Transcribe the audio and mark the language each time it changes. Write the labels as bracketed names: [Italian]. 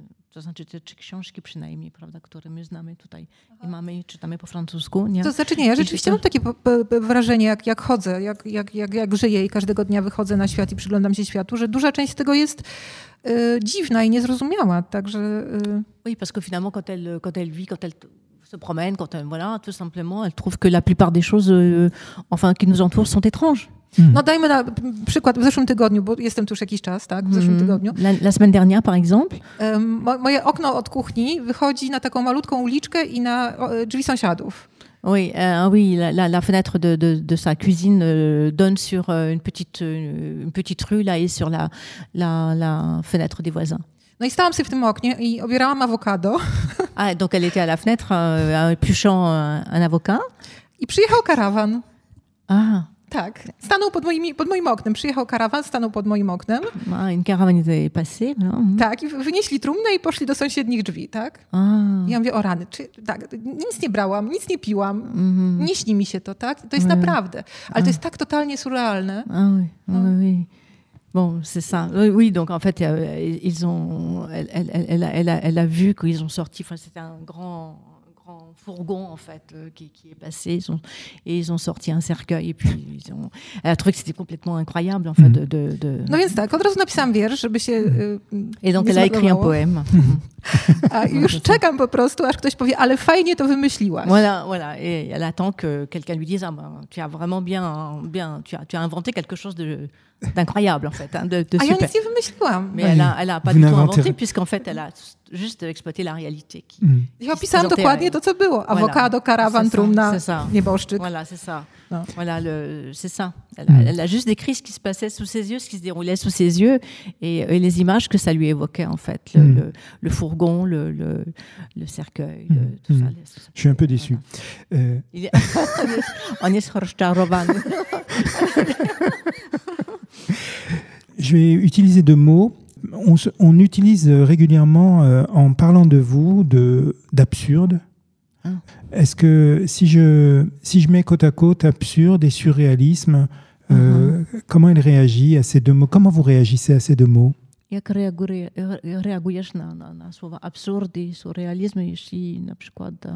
[Polish] To znaczy te trzy książki przynajmniej, prawda, które my znamy tutaj i mamy i czytamy po francusku. Nie? To znaczy nie, ja rzeczywiście mam takie wrażenie, jak chodzę, jak żyję i każdego dnia wychodzę na świat i przyglądam się światu, że duża część tego jest dziwna i niezrozumiała. Także, [French] Oui, parce que finalement, quand elle vit, quand elle se promène, quand elle, voilà, tout simplement, elle trouve que la plupart des choses enfin, qui nous entourent sont étranges. [Polish] No dajmy na przykład w zeszłym tygodniu, bo jestem tu już jakiś czas, tak? W zeszłym tygodniu. [French] La semaine dernière, par exemple. [Polish] Moje okno od kuchni wychodzi na taką malutką uliczkę i na drzwi sąsiadów. [French] Oui, la fenêtre de sa cuisine donne sur une petite rue là et sur la fenêtre des voisins. [Polish] No i stałam sobie w tym oknie i obierałam awokado. [French] Ah, donc elle était à la fenêtre pluchant un avocat. [Polish] I przyjechał karawan. Ah. Tak, stanął pod moim oknem. Przyjechał karawan, stanął pod moim oknem. [French] A, un caravan est passé. [Polish] Tak, i wynieśli trumnę i poszli do sąsiednich drzwi, tak? Ah. I ja mówię, o rany, tak, nic nie brałam, nic nie piłam. Mm-hmm. Nie śni mi się to, tak? To jest naprawdę. Ale to jest tak totalnie surrealne. [French] Oui. Bon, c'est ça. Oui, donc en fait, ils ont, elle a vu qu'ils ont sorti. Enfin, c'était un grand fourgon en fait qui est passé. Ils ont sorti un cercueil et puis ils ont. Elle a trouvé que c'était complètement incroyable en fait de. [Polish] No więc tak, od razu napisałam wiersz, żeby się. [French] Et donc elle a écrit un poème. [Polish] A już czekam po prostu, aż ktoś powie, ale fajnie to wymyśliłaś. [French] Voilà. Et elle attend que quelqu'un lui dise, ah, ben, tu as vraiment bien, tu as inventé quelque chose de incroyable en fait, hein, de super. [Polish] Ah, ja nic nie wymyśliłam. [French] Mais elle a pas du tout inventé, puisqu'en fait elle a juste exploité la réalité. [Polish] Ja opisałam dokładnie to, co było. Avocado, karawan, trumna, nieboszczyk. [French] Voilà, c'est ça. No. Voilà, c'est ça. Elle a juste décrit ce qui se passait sous ses yeux, ce qui se déroulait sous ses yeux et les images que ça lui évoquait en fait, le fourgon, le cercueil, tout ça. Je suis un peu déçu. Voilà. On est sur Charoban. Je vais utiliser deux mots. On utilise régulièrement en parlant de vous d'absurde. Est-ce que si je mets côte à côte absurde et surréalisme, comment elle réagit à ces deux mots? Comment vous réagissez à ces deux mots? [Polish] Jak reagujesz na słowa absurdy, surrealizm, jeśli na przykład...